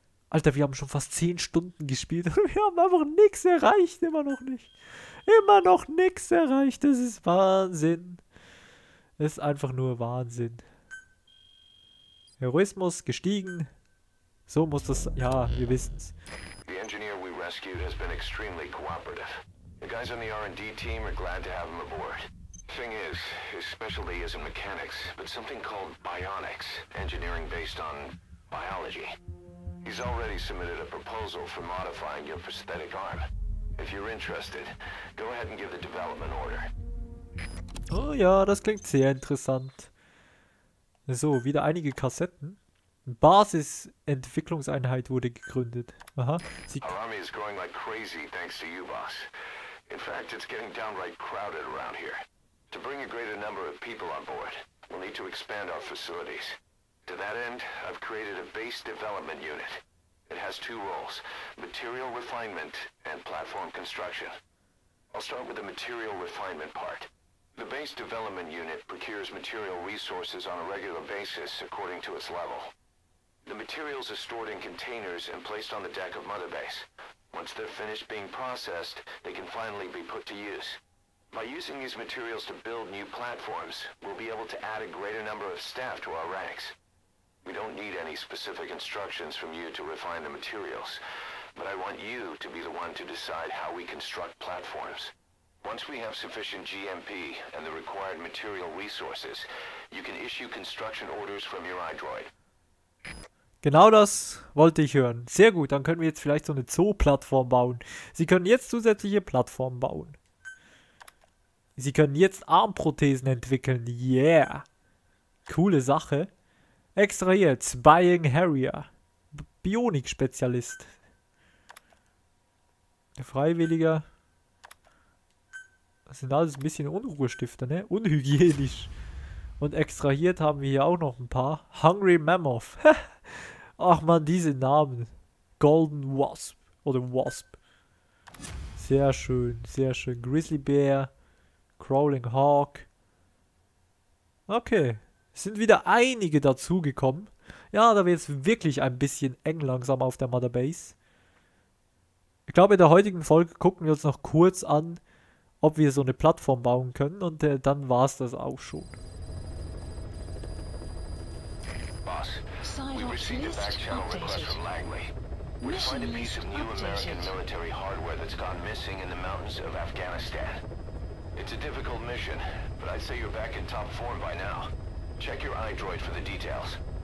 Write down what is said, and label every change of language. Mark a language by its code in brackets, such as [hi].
[de] Alter, wir haben schon fast 10 Stunden gespielt und wir haben einfach nichts erreicht, immer noch nicht. Immer noch nichts erreicht, das ist Wahnsinn. Das ist einfach nur Wahnsinn. Heroismus gestiegen. So muss das, ja, wir wissen's. [en] The engineer we rescued has been extremely cooperative. The guys on the R&D team are glad to have him aboard. Thing is, his specialty isn't mechanics, but something called bionics, engineering based on biology. He's already submitted a proposal for modifying your prosthetic arm. If you're interested, go ahead and give the development order. [de] Oh ja, das klingt sehr interessant. So, wieder einige Kassetten. Basisentwicklungseinheit wurde gegründet. Aha. [en] Our army is growing like crazy thanks to you, boss. In fact, it's getting downright crowded around here. To bring a greater number of people on board, we'll need to expand our facilities. To that end, I've created a base development unit. It has two roles, material refinement and platform construction. I'll start with the material refinement part. The base development unit procures material resources on a regular basis according to its level. The materials are stored in containers and placed on the deck of Mother Base. Once they're finished being processed, they can finally be put to use. By using these materials to build new platforms, we'll be able to add a greater number of staff to our ranks. We don't need any specific instructions from you to refine the materials, but I want you to be the one to decide how we construct platforms. Once we have sufficient GMP and the required material resources, you can issue construction orders from your iDroid. [de] Genau das wollte ich hören. Sehr gut, dann können wir jetzt vielleicht so eine Zoo-Plattform bauen. Sie können jetzt zusätzliche Plattformen bauen. Sie können jetzt Armprothesen entwickeln. Yeah. Coole Sache. Extrahiert. Spying Harrier. Bionik-Spezialist. Freiwilliger. Das sind alles ein bisschen Unruhestifter, ne? Unhygienisch. Und extrahiert haben wir hier auch noch ein paar. Hungry Mammoth. Ach man, diese Namen. Golden Wasp. Oder Wasp. Sehr schön, sehr schön. Grizzly Bear. Crawling Hawk. Okay. Sind wieder einige dazugekommen. Ja, da wird es wirklich ein bisschen eng langsam auf der Mother Base. Ich glaube, in der heutigen Folge gucken wir uns noch kurz an, ob wir so eine Plattform bauen können. Und dann war es das auch schon. [en] Boss, we received a back-channel request from Langley. We're to find a piece of new American military hardware that's gone missing in the mountains of Afghanistan. It's a difficult mission, but I'd say you're back in top form by now. Check your iDroid for the details.